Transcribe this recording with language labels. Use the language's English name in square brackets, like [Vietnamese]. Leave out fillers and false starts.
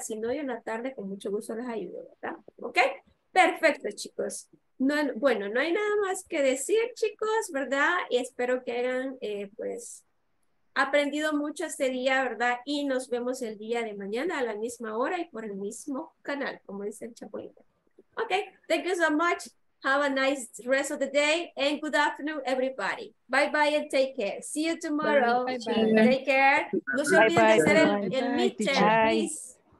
[Spanish] Si no, yo en la tarde, con mucho gusto les ayudo, ¿verdad? ¿Ok? Perfecto, chicos. No, bueno, no hay nada más que decir, chicos, ¿verdad? Y espero que hayan, aprendido mucho este día, ¿verdad? Y nos vemos el día de mañana a la misma hora y por el mismo canal, como dice el Chapulín. [English] Ok, thank you so much. Have a nice rest of the day and good afternoon, everybody. Bye bye and take care. See you tomorrow. Bye, bye, bye. Take care. [Spanish] No se olviden de hacer el midterm, please.